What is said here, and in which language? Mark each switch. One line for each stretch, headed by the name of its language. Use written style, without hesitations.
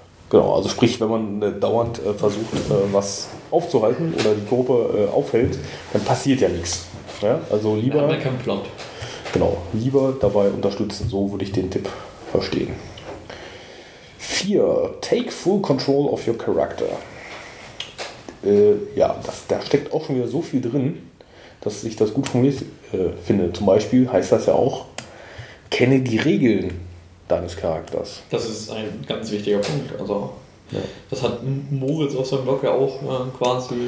German: genau, also sprich, wenn man dauernd versucht, was aufzuhalten oder die Gruppe aufhält, dann passiert ja nichts. Ja? Also lieber... Ja, kein Plot. Genau, lieber dabei unterstützen, so würde ich den Tipp verstehen. 4.
English: Take full control of your character.
German: Da steckt auch schon wieder so viel drin, dass ich das gut formuliert finde. Zum Beispiel heißt das ja auch, kenne die Regeln deines Charakters. Das ist ein ganz wichtiger Punkt. Also ja. Das hat Moritz auf seinem Blog ja auch quasi...